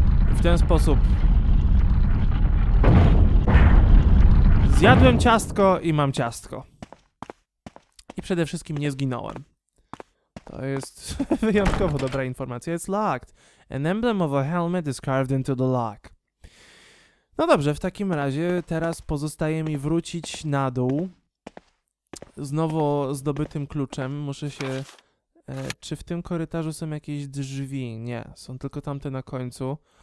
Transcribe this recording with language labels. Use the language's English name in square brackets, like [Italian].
[Polish] W ten sposób... Zjadłem ciastko i mam ciastko. I przede wszystkim nie zginąłem. To jest wyjątkowo dobra informacja. [English] It's locked. An emblem of a helmet is carved into the lock. [Polish] No dobrze, w takim razie teraz pozostaje mi wrócić na dół. Znowu zdobytym kluczem. Muszę się... czy w tym korytarzu są jakieś drzwi? Nie, są tylko tamte na końcu.